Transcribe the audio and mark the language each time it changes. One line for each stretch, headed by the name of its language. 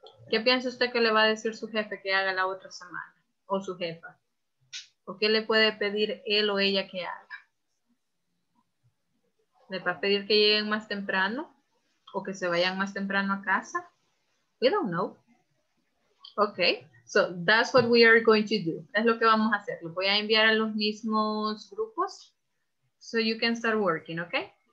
Spanish: ¿Qué piensa usted que le va a decir su jefe que haga la otra semana o su jefa? ¿O qué le puede pedir él o ella que haga? ¿Le va a pedir que lleguen más temprano o que se vayan más temprano a casa?
English: We don't know. Okay, so that's what we are going to do.
Spanish: Es lo que vamos a hacer. Lo voy a enviar a los mismos grupos.
English: So you can start working, okay?